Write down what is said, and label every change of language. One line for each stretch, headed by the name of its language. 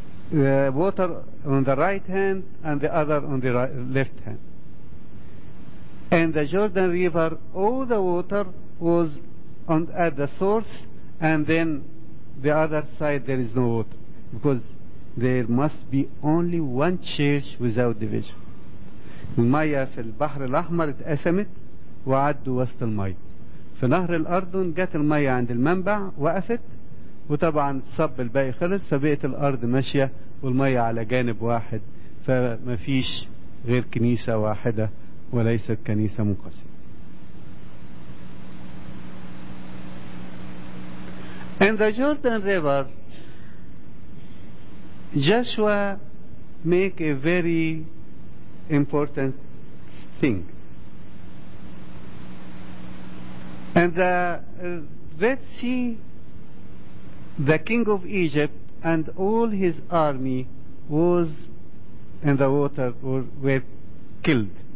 English: The water on the right hand and the other on the left hand. And the Jordan River, all the water was on at the source, and then the other side there is no water, because there must be only one church without division.
Arabic: المية في البحر الأحمر اتقسمت وعدوا وسط المية. في نهر الأردن جت المية عند المنبع وقفت، وطبعا صب الباقي خلص، فبقت الأرض ماشية والمية على جانب واحد، فما فيش غير كنيسة واحدة وليست كنيسة منقسمة.
English: In the Jordan River, Joshua make a very important thing. And the Red Sea, the king of Egypt and all his army was in the water or were killed.